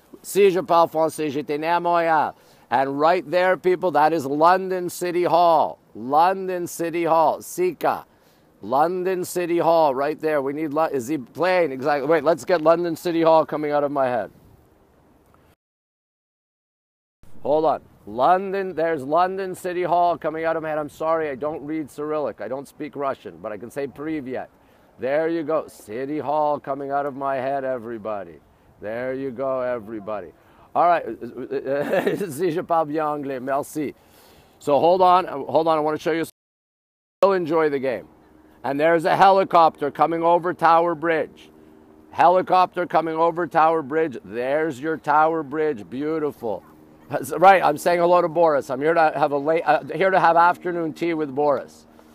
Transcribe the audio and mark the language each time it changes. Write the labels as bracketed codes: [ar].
[fr] Si je parle français, j'étais né à Montréal. [en] And right there, people, that is London City Hall. London City Hall. Sika. London City Hall right there. We need, is he playing? Exactly. Wait, let's get London City Hall coming out of my head. Hold on. London, there's London City Hall coming out of my head. I'm sorry, I don't read Cyrillic. I don't speak Russian, but I can say Privyet. There you go. City Hall coming out of my head, everybody. There you go, everybody. All right, [fr] si je parle bien anglais, merci. [en] So hold on, hold on, I want to show you something. You'll enjoy the game. And there's a helicopter coming over Tower Bridge. Helicopter coming over Tower Bridge. There's your Tower Bridge, beautiful. Right, I'm saying hello to Boris. I'm here to have a late, here to have afternoon tea with Boris.